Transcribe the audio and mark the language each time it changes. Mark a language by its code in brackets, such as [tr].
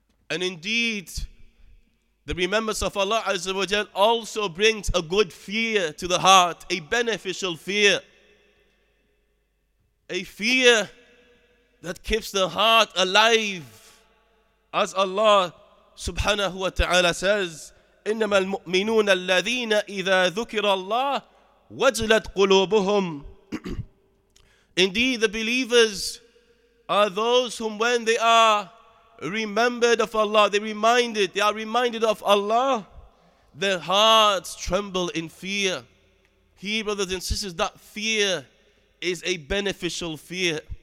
[en] And indeed, the remembrance of Allah Azza wa Jal also brings a good fear to the heart, a beneficial fear, a fear that keeps the heart alive. As Allah subhanahu wa ta'ala says, [ar] إِنَّمَا الْمُؤْمِنُونَ الَّذِينَ إِذَا ذُكِرَ اللَّهِ وَجْلَتْ قُلُوبُهُمْ. [en] Indeed, the believers are those whom when they are remembered of Allah, they are reminded of Allah, their hearts tremble in fear. Here, brothers and sisters, that fear is a beneficial fear.